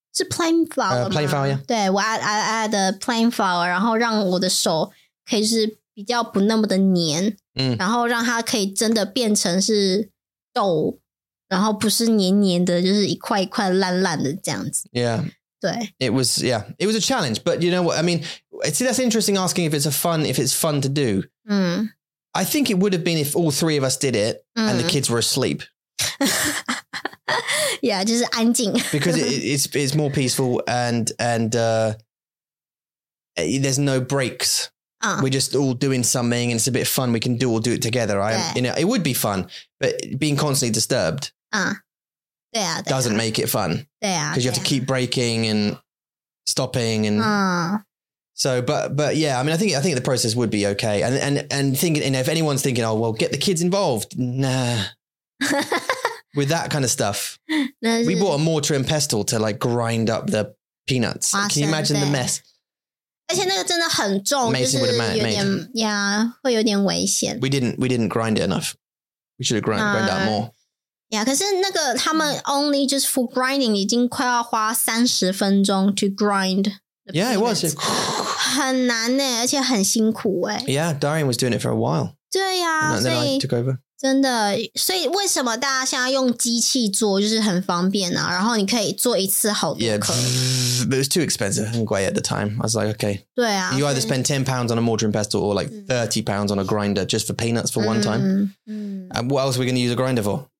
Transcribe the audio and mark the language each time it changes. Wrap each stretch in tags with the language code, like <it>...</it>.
<zh>是 plain flour 吗</zh> <en>plain flour, yeah.</en> <zh>对我 add the plain flour 然后让我的手可以是比较不那么的黏、嗯、然后让它可以真的变成是豆然后不是黏黏的就是一块一块烂烂的这样子</zh> <en>Yeah.</en> <zh>对</zh> <en>It was, yeah, it was a challenge, but you know what, I mean, see, that's interesting asking if it's fun to do.、嗯、 I think it would have been if all three of us did it、嗯、 and the kids were asleep. Yeah,</en> <zh>就是安静</zh> <en>Because it's more peaceful and there's no breaks.、We're just all doing something and it's a bit fun. We can all do it together. You know, it would be fun, but being constantly disturbed、</en> <zh>对啊、</zh> <en>doesn't make it fun. Because、啊、you have to keep breaking and stopping. And、so, but yeah, I mean, I think the process would be okay. And thinking, you know, if anyone's thinking, oh, well, get the kids involved. Nah. With that kind of stuff, we bought a mortar and pestle to like grind up the peanuts. Can you imagine the mess?</en> <zh>而且那个真的很重，就是有点</zh> <en>yeah,</en> <zh>会有点危险。</zh> <en>We didn't grind it enough. We should have grind out more. Yeah,</en> <zh>可是那个他们</zh> <en>only just for grinding</en> <zh>已经快要花30分钟</zh> <en>to grind. Yeah, it was.</en> <zh>很难耶，而且很辛苦耶。</zh> <en>Yeah, Darian was doing it for a while.</en> <zh>对呀，所以</zh> <en>took over.</en> <zh>真的，所以为什么大家现在用机器做就是很方便啊？然后你可以做一次好多颗。</zh> <en>Yeah, it was too expensive and great at the time. I was like, okay.</en> <zh>对啊。</zh> <en>You either spend £10 on a mortar and pestle or like £30 on a grinder just for peanuts for one time. 嗯。 What else are we going to use a grinder for?</en>